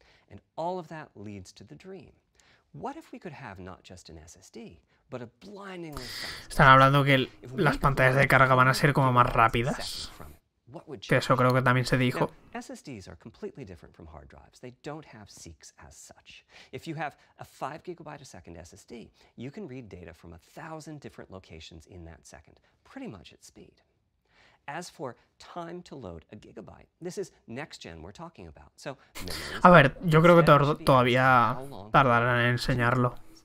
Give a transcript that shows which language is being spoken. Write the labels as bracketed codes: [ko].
[en] And all of that leads to the dream. What if we could have not just an SSD, but a blindingly fast drive? [es] Están hablando que las pantallas de carga van a ser como más rápidas. Que eso creo que también se dijo. [en] SSDs are completely different from hard drives. They don't have seeks as such. If you have a 5 gigabyte a second SSD, you can read data from 1,000 different locations in that second, pretty much at speed. As for time to load a gigabyte, this is next gen we're talking about. So, [es] a ver, yo creo que todavía tardarán en enseñarlo.